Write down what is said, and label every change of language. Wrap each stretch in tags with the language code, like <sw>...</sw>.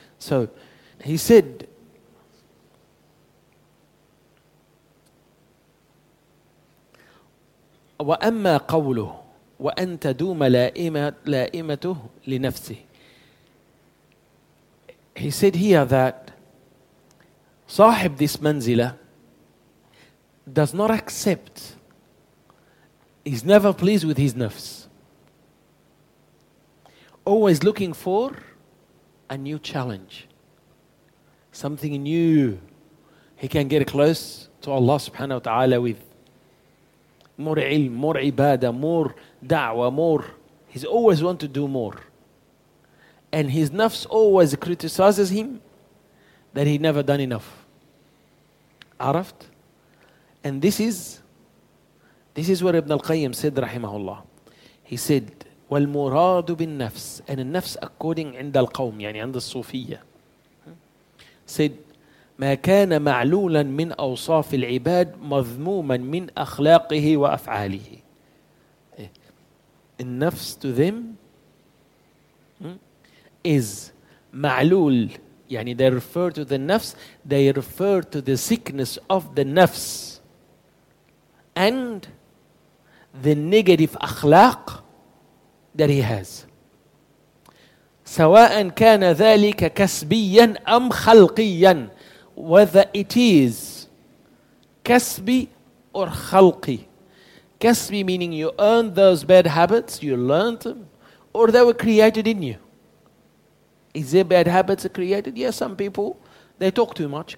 <en>So, he said,</en> <ar>وَأَمَّا قَوْلُهُ وَأَنْتَ دُومَ لَائِمَتُهُ لِنَفْسِهِ</ar> <en>He said here that صاحب this منزلة does not accept, he's never pleased with his nafs. Always looking for a new challenge. Something new he can get close to Allah subhanahu wa ta'ala with. More ilm, more ibadah, more da'wah, more. He's always want to do more. And his nafs always criticizes him that he never done enough. Arafat? And this is what Ibn al-Qayyim said, rahimahullah. He said,</en> <ar>وَالْمُرَادُ بِالنَّفْسِ.</ar> <en>And the nafs according</en> <ar>عند القوم, يعني عند الصوفية. Said, مَا كَانَ مَعْلُولًا مِنْ أَوْصَافِ الْعِبَادِ مَذْمُومًا مِنْ أَخْلَاقِهِ وَأَفْعَالِهِ.</ar> <en>The nafs to them is معلول. يعني they refer to the nafs, they refer to the sickness of the nafs and the negative akhlaq that he has.</en> <ar>سواء كان ذلك كسبيا أم خلقيا.</ar> <en>Whether it is كسبي or خلقي. كسبي meaning you earn those bad habits, you learned them, or they were created in you. Is there bad habits created? Yes, some people, they talk too much.</en>